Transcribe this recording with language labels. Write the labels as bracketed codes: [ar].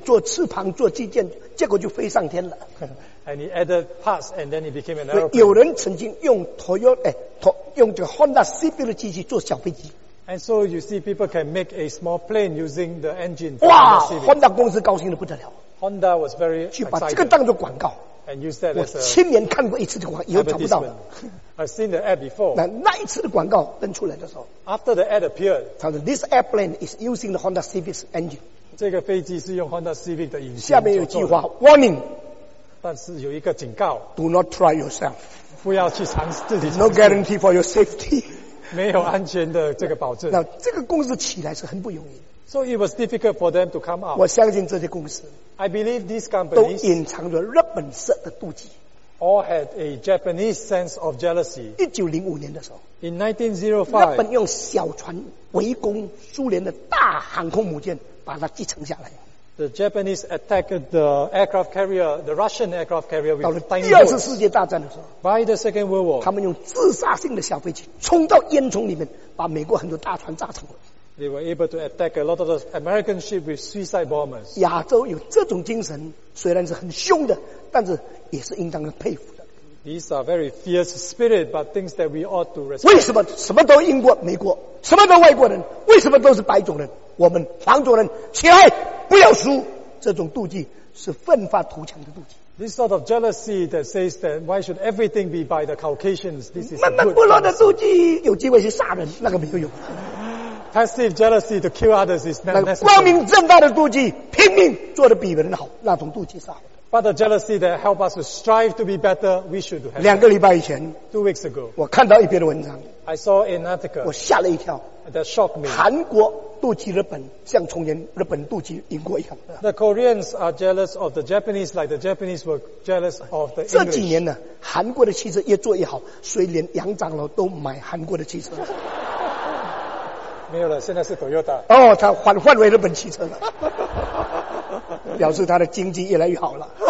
[zh] 做翅膀做机件，结果就飞上天了 [en] ，And he added parts and then he became an aeroplane。 [zh] 所以有人曾经用 Toyota， 用这个 Honda Civic 的机器做小飞机。 [en] And so you see, people can make a small plane using the engine. [zh] 哇 ，Honda 公司高兴得不得了。 [en] Honda was very excited. [zh] 去把这个当作广告。 [en] And use that as a [zh] 我亲眼看过一次的广告，以后找不到了。 [en] I've seen the ad before. [zh] 那一次的广告登出来的时候 [en] ，After the ad appeared, [zh] 他说 [en] ，This airplane is using the Honda Civic engine. [zh] 这个飞机是用 Honda Civic 的引擎。下面有句话 ， [en] Warning. [zh] 但是有一个警告 [en] ，Do not try yourself. [zh] 不要去尝试自己。 [en] No guarantee for your safety. [zh] 没有安全的这个保证。那这个公司起来是很不容易的。 [en] So it was difficult for them to come out. [zh] 我相信这些公司 [en] ，I believe these companies [zh] 都隐藏着日本色的妒忌 [en] ，all had a Japanese sense of jealousy. [zh] 1905年的时候 [en] ，in 1905, [zh] 日本用小船围攻苏联的大航空母舰，把它继承下来。 [en] The Japanese attacked the aircraft carrier, the Russian aircraft carrier with tiny boats. [zh] 到了第二次世界大战的时候 [en] ，By the Second World War, [zh] 他们用自杀性的小飞机冲到烟囱里面，把美国很多大船炸沉了。 [en] They were able to attack a lot of the American ships with suicide bombers. [zh] 亚洲有这种精神，虽然是很凶的，但是也是应当佩服的。 [en] These are very fierce spirit, but things that we ought to respect. [zh] 为什么什么都英国、美国，什么都外国人，为什么都是白种人？我们黄种人起来，不要输！这种妒忌是奋发图强的妒忌。 [en] This sort of jealousy that says that why should everything be by the Caucasians? This is [zh] 闷闷不乐的妒忌，有机会去杀人，那个没有用。 [en] Passive jealousy to kill others is not necessary. [zh] 光明正大的妒忌，拼命做得比别人好，那种妒忌是好的。 [en] But the jealousy that help us to strive to be better, we should have. [zh] 两个礼拜以前 [en] ，two weeks ago， [zh] 我看到一篇文章 [en] ，I saw an article， [zh] 我吓了一跳 [en] ，that shocked me。 [zh] 韩国妒忌日本，像从前日本妒忌英国一样。 [en] The Koreans are jealous of the Japanese, like the Japanese were jealous of the English. [zh] 这几年呢，韩国的汽车越做越好，所以连杨长老都买韩国的汽车。没有了，现在是 Toyota。哦，他换为日本汽车了，表示他的经济越来越好了。